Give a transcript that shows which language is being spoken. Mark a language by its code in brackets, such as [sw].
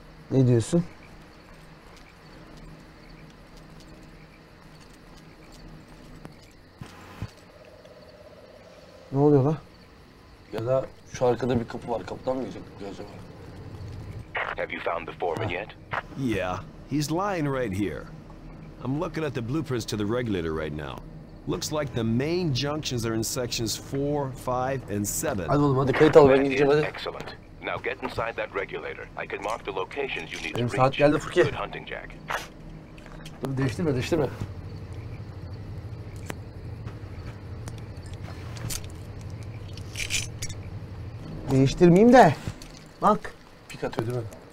[tr] Ne diyorsun? Ne oluyor lan? Ya da şu arkada bir kapı var. Kapıdan mı girecek acaba? [en] Have you found the foreman yet? Yeah, he's lying right here. I'm looking at the blueprints to the regulator right now. Looks like the main junctions are in sections 4, 5 and 7. [tr] Hadi oğlum hadi kayıt al, ben gideceğim hadi. [en] Excellent. Now get inside that regulator. I can mark the locations you need to reach. [tr] Saat geldi Fırki. [en] Good hunting, Jack. [tr] Dur, değiştirme, değiştirme. Değiştirmeyeyim de. Bak. Pik atıyor değil mi?